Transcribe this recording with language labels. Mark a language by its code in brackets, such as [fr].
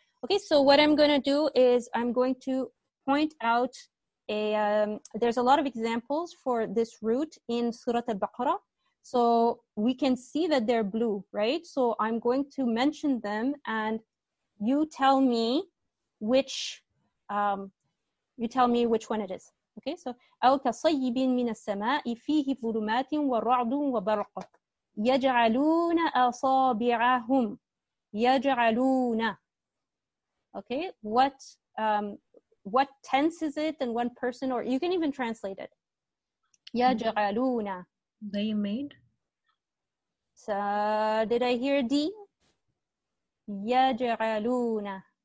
[en] Okay, so what I'm going to do is I'm going to point out there's a lot of examples for this root in Surah Al-Baqarah. So we can see that they're blue, right? So I'm going to mention them and you tell me which one it is. Okay, so [ar] أَوْكَصَيِّبٍ مِنَ السَّمَاءِ فِيهِ ظُلُمَاتٍ وَرَعْدٌ وَبَرْقٌ يَجْعَلُونَ أَصَابِعَهُمْ يَجْعَلُونَ. [en] Okay, what tense is it, and one person, or you can even translate it. [ar] يَجْعَلُونَ. [en] They made. So, did I hear D? يَجْعَلُونَ.